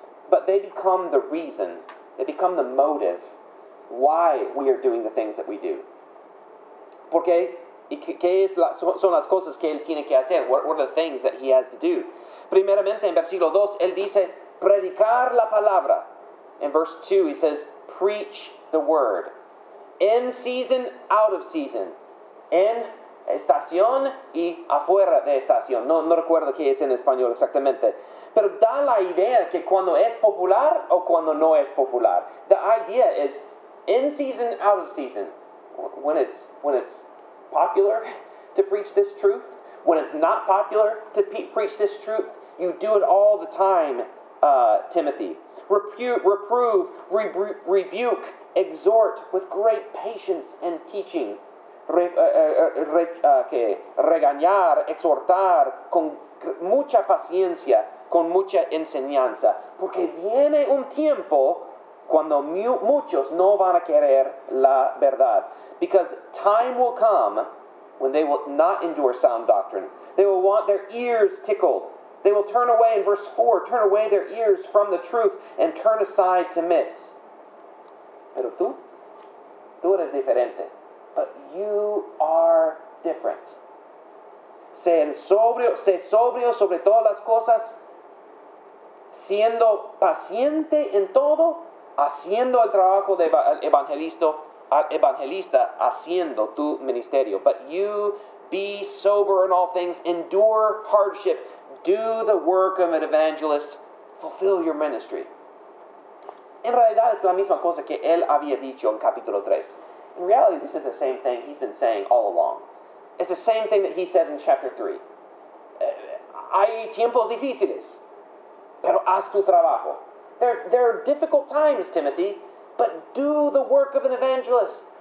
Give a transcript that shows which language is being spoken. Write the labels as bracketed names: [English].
[English] But they become the reason, they become the motive why we are doing the things that we do. [Spanish] Porque, ¿y qué es la, son las cosas que él tiene que hacer? [English] What are the things that he has to do? [Spanish] Primeramente, en versículo 2, él dice, predicar la palabra. [English] In verse 2, he says, preach the word. In season, out of season. [Spanish] En estación y afuera de estación. No recuerdo qué es en español exactamente. Pero da la idea que cuando es popular o cuando no es popular. [English] The idea is, in season, out of season, when it's popular to preach this truth, when it's not popular to preach this truth, you do it all the time, Timothy. Reprove, rebuke, exhort with great patience and teaching. [Spanish] Regañar, exhortar con mucha paciencia, con mucha enseñanza. Porque viene un tiempo cuando muchos no van a querer la verdad. [English] Because time will come when they will not endure sound doctrine. They will want their ears tickled. They will turn away, in verse 4, turn away their ears from the truth and turn aside to myths. [Spanish] Pero tú eres diferente. [English] But you are different. [Spanish] Sé sobrio sobre todas las cosas, siendo paciente en todo, haciendo el trabajo de evangelista, haciendo tu ministerio. [English] But you be sober in all things, endure hardship, do the work of an evangelist, fulfill your ministry. [Spanish] En realidad es la misma cosa que él había dicho en capítulo 3. [English] In reality, this is the same thing he's been saying all along. It's the same thing that he said in chapter 3. [Spanish] Hay tiempos difíciles, pero haz tu trabajo. [English] There are difficult times, Timothy, but do the work of an evangelist.